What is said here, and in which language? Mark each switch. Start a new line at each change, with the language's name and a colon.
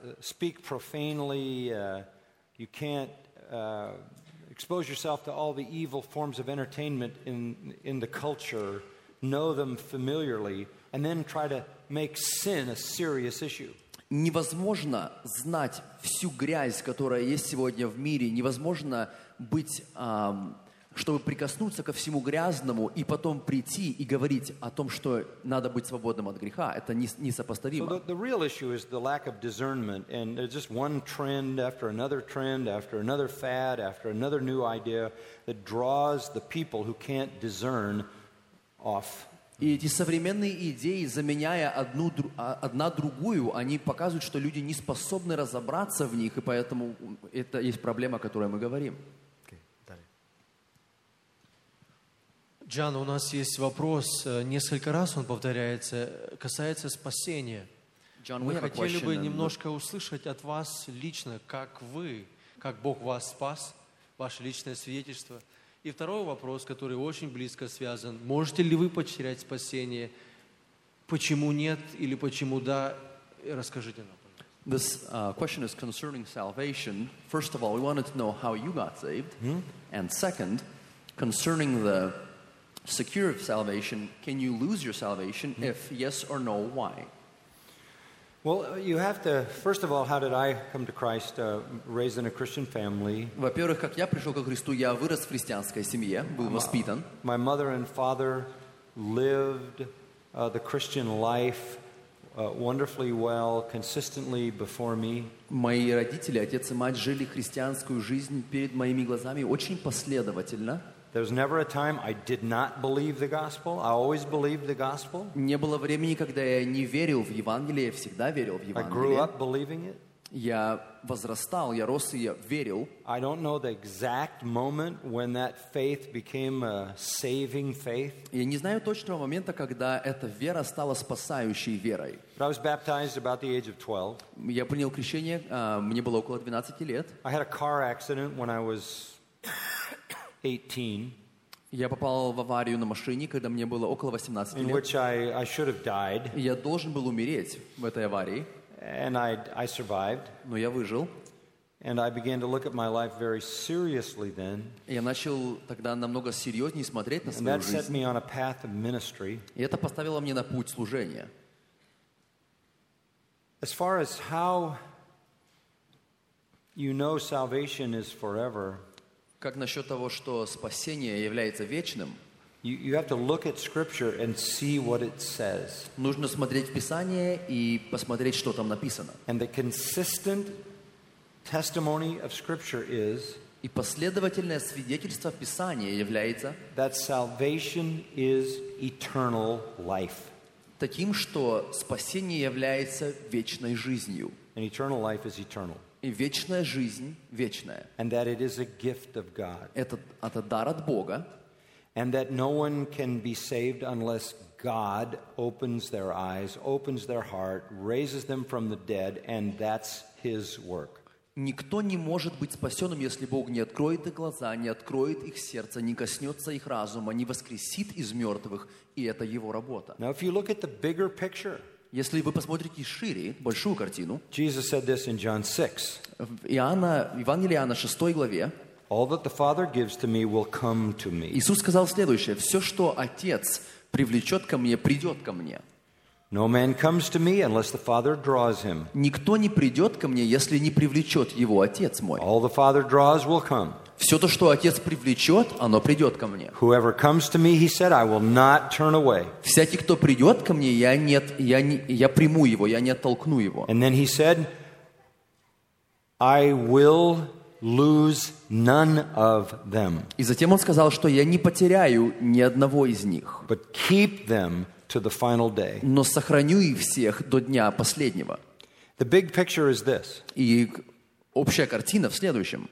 English: Speak profanely, you can't expose yourself to all the evil forms of entertainment in the culture, know them familiarly. And then try to make sin a serious issue.
Russian: Невозможно знать всю грязь, которая есть сегодня в мире. Невозможно быть, чтобы прикоснуться ко всему грязному и потом прийти и говорить о том, что надо быть свободным от греха. Это несопоставимо.
English: So the real issue is the lack of discernment, and there's just one trend, after another fad, after another new idea that draws the people who can't discern off.
Russian: И эти современные идеи, заменяя одна другую, они показывают, что люди не способны разобраться в них, и поэтому это есть проблема, о которой мы говорим. Джан, у нас есть вопрос, несколько раз он повторяется, касается спасения.
English: John,
Russian: мы хотели бы немножко услышать от вас лично, как вы, как Бог вас спас, ваше личное свидетельство. И второй вопрос, который очень близко связан. Можете ли вы потерять спасение? Почему нет или почему да? Расскажите нам.
English: This question is concerning salvation. First of all, we wanted to know how you got saved. Hmm? And second, concerning the secure of salvation, can you lose your salvation? Hmm? If yes or no, why? Well, you have to, first of all, how did I come to Christ, raised in a Christian family?
Russian: Во-первых, как я пришел ко Христу, я вырос в христианской семье, был воспитан.
English: My mother and father lived the Christian life wonderfully well, consistently before me.
Russian: Мои родители, отец и мать, жили христианскую жизнь перед моими глазами очень последовательно.
English: There was never a time I did not believe the gospel. I always believed the gospel.
Russian: Не было времени, когда я не верил в Евангелие. Я всегда верил в Евангелие.
English: I grew up believing it.
Russian: Я возрастал, я рос и я верил.
English: I don't know the exact moment when that faith became a saving faith.
Russian: Я не знаю точного момента, когда эта вера стала спасающей верой.
English: But I was baptized about the age of 12.
Russian: Я принял крещение, мне было около 12 лет.
English: I had a car accident when I was 18.
Russian: Я попал в аварию на машине, когда мне было около 18 лет.
English: In which I should have died.
Russian: Я должен был умереть в этой аварии.
English: And I survived.
Russian: Но я выжил.
English: And I began to look at my life very seriously then.
Russian: Я начал тогда намного серьезнее смотреть на свою жизнь.
English: And that set me on a path of ministry.
Russian: И это поставило меня на путь служения.
English: As far as how you know salvation is forever.
Russian: Как насчет того, что спасение является вечным?
English: You have to look at Scripture and see what it says.
Russian: Нужно смотреть Писание и посмотреть, что там написано.
English: And the consistent testimony of Scripture is.
Russian: И последовательное свидетельство Писания является.
English: That salvation is eternal life.
Russian: Таким, что спасение является вечной жизнью.
English: And eternal life is eternal.
Russian: И вечная жизнь вечная.
English: And that it is a gift of God.
Russian: Это дар от Бога.
English: And that no one can be saved unless God opens their eyes, opens their heart, raises them from the dead, and that's His work.
Russian: Никто не может быть спасенным, если Бог не откроет их глаза, не откроет их сердце, не коснется их разума, не воскресит из мертвых, и это Его работа.
English: Now, if you look at the bigger picture,
Russian: если вы посмотрите шире, большую картину,
English: Jesus said this in John 6.
Russian: Иоанна, Евангелие Иоанна 6 главе.
English: All that the Father gives to me will come to me.
Russian: Иисус сказал следующее: все, что Отец привлечет ко мне, придет ко мне.
English: No man comes to me unless the Father draws him.
Russian: Никто не придет ко мне, если не привлечет его Отец мой.
English: All the Father draws will come.
Russian: Все то, что Отец привлечет, оно придет ко мне.
English: Whoever comes to me, he said, I will not turn away.
Russian: Всякий, кто придет ко мне, я приму его, я не оттолкну его.
English: And then he said, I will lose none of them.
Russian: И затем он сказал, что я не потеряю ни одного из них.
English: But keep them to the final day.
Russian: Но сохраню их всех до дня последнего.
English: The big picture is this.
Russian: И общая картина в следующем.